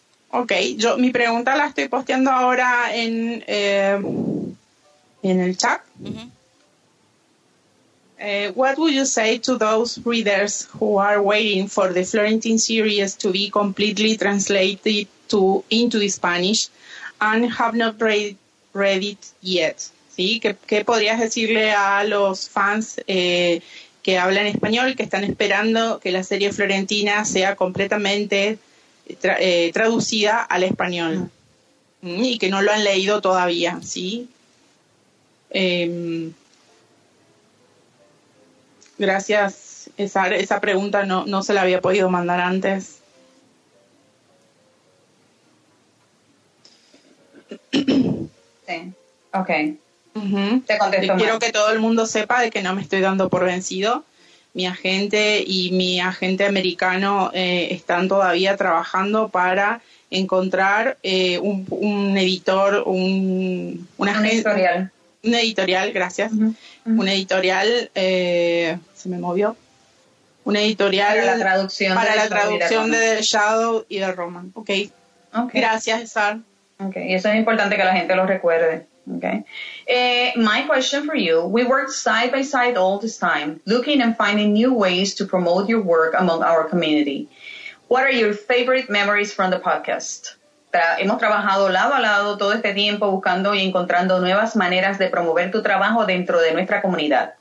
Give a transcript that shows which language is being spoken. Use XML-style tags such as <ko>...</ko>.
<es>Okay, yo mi pregunta la estoy posteando ahora en el chat.</es> <en>What would you say to those readers who are waiting for the Florentine series to be completely translated into Spanish and have not read it yet?</en> <es>¿Sí? ¿Qué podrías decirle a los fans que hablan español, que están esperando que la serie Florentina sea completamente traducida al español y que no lo han leído todavía? ¿Sí? Gracias, esa pregunta no se la había podido mandar antes. Sí, ok. Te contesto. Quiero que todo el mundo sepa de que no me estoy dando por vencido. Mi agente y mi agente americano están todavía trabajando para encontrar un editorial. Un editorial, se me movió. Un editorial para la traducción, de The Shadow y The Roman. Okay. Gracias, Sar.</es> <en>Okay.</en> <es>Eso es importante que la gente lo recuerde.</es> <en>Okay. My question for you: we worked side by side all this time, looking and finding new ways to promote your work among our community. What are your favorite memories from the podcast?</en> <es>Hemos trabajado lado a lado todo este tiempo buscando y encontrando nuevas maneras de promover tu trabajo dentro de nuestra comunidad.</es>